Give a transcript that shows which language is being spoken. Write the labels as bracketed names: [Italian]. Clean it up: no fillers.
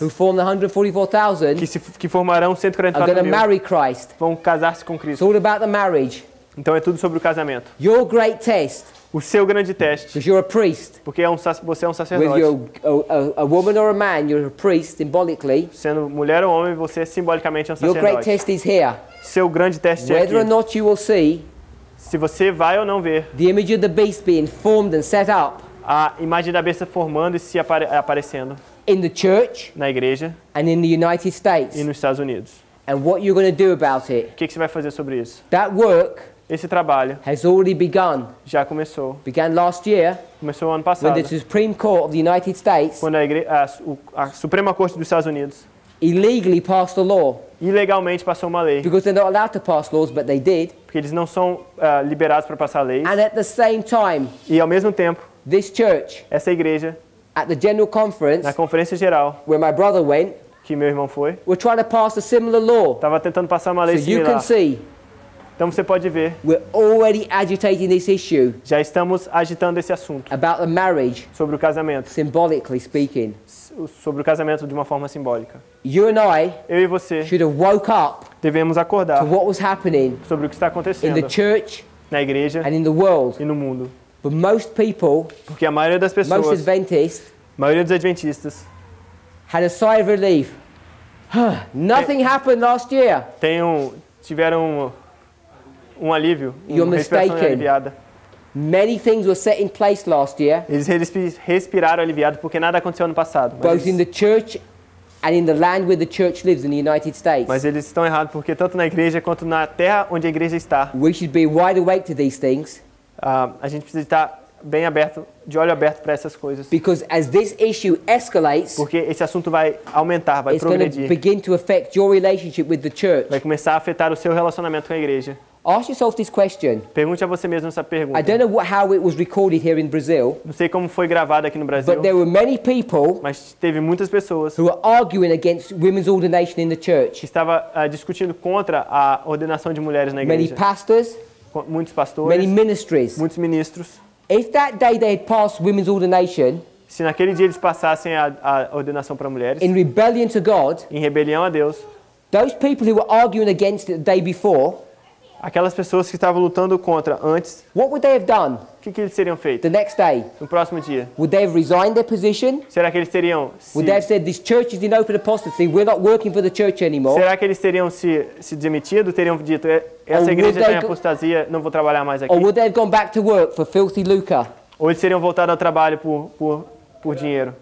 [English] who form the 144,000, [Portuguese] que formarão 144,000, vão casar-se com Cristo. [English] It's all about the marriage. [Portuguese] Então é tudo sobre o casamento. [English] Your great test, [Portuguese] o seu grande teste. [English] Because you're a priest, [Portuguese] porque você é um sacerdote. [English] With a woman or a man, you're a priest symbolically. [Portuguese] Sendo mulher ou homem, você simbolicamente é um [English] sacerdote. Your great test is here. [Portuguese] Seu grande teste [English] whether [Portuguese] é aqui. [English] Or not you will see, [Portuguese] se você vai ou não ver. [English] The image of the beast being formed and set up. [Portuguese] A imagem da besta formando e se aparecendo. [English] In the church. [Portuguese] Na igreja. [English] And in the United States. [Portuguese] E nos Estados Unidos. [English] And what you're going to do about it. [Portuguese] O que você vai fazer sobre isso? [English] That work. [Portuguese] Esse trabalho. [English] Has already begun. [Portuguese] Já começou. [English] Began last year. [Portuguese] Começou ano passado. [English] When the Supreme Court of the United States. [Portuguese] Quando a Suprema Corte dos Estados Unidos. [English] Illegally passed the law. [Portuguese] Ilegalmente passou uma lei. [English] Because they're not allowed to pass laws, but they did. [Portuguese] Porque eles não são liberados para passar leis. [English] And at the same time. [Portuguese] E ao mesmo tempo. [English] This church. [Portuguese] Essa igreja. [English] At the general conference. [Portuguese] Na conferência geral. [English] Where my brother went. [Portuguese] Que meu irmão foi. [English] We're trying to pass a similar law. [Portuguese] Tava tentando passar uma lei similar. [English] So you can see. [Portuguese] Então você pode ver. [English] We're already agitating this issue. [Portuguese] Já estamos agitando esse assunto. [English] About the marriage. [Portuguese] Sobre o casamento. [English] Symbolically speaking. [Portuguese] Sobre o casamento de uma forma simbólica. [English] You and I, [Portuguese] eu e você, [English] should have woke up. [Portuguese] Devemos acordar. [English] To what was happening. [Portuguese] Sobre o que está acontecendo. [English] In the church. [Portuguese] Na igreja. [English] And in the world. [Portuguese] E no mundo. [English] But most people. [Portuguese] Porque a maioria das pessoas. [English] Most Adventists. [Portuguese] Maioria dos adventistas. [English] Had a sigh of relief. Nothing happened last year. [Portuguese] Tiveram um alívio. [English] You're mistaken. Many things were set in place last year. [Portuguese] Eles respiraram aliviado porque nada aconteceu ano passado. [English] Both in the church and in the land where the church lives in the United States. [Portuguese] Mas eles estão errados porque tanto na igreja quanto na terra onde a igreja está. [English] We should be wide awake to these things. [Portuguese] A gente precisa estar bem aberto, de olho aberto para essas coisas. [English] Because as this issue escalates, [Portuguese] porque esse assunto vai aumentar, vai progredir. [English] It's going to begin to affect your relationship with the church. [Portuguese] Vai começar a afetar o seu relacionamento com a igreja. [English] Ask yourself this question. [Portuguese] Pergunte a você mesmo essa pergunta. [English] I don't know how it was recorded here in Brazil. [Portuguese] Não sei como foi gravado aqui no Brasil. [English] But there were many people. [Portuguese] Mas teve muitas pessoas. [English] Who were arguing against women's ordination in the church. [Portuguese] Estava discutindo contra a ordenação de mulheres na igreja. [English] Many pastors. [Portuguese] Muitos pastores. [English] Many ministries. [Portuguese] Muitos ministros. [English] If that day they had passed women's ordination. [Portuguese] Se naquele dia eles passassem a ordenação para mulheres. [English] In rebellion to God. [Portuguese] Em rebelião a Deus. [English] Those people who were arguing against it the day before. [Portuguese] Aquelas pessoas que estavam lutando contra antes. [English] What would they have done? [Portuguese] Que eles teriam feito? [English] The next day. [Portuguese] No próximo dia. [English] Would they have resigned their position? [Portuguese] Será que eles teriam se... [English] Would they have said this church is in open apostasy? We're not working for the church anymore. [Portuguese] Será que eles teriam se demitido? Teriam dito essa igreja está em apostasia, não vou trabalhar mais aqui. [English] Or would they have gone back to work for filthy lucre? [Portuguese] Ou eles teriam voltado ao trabalho por dinheiro?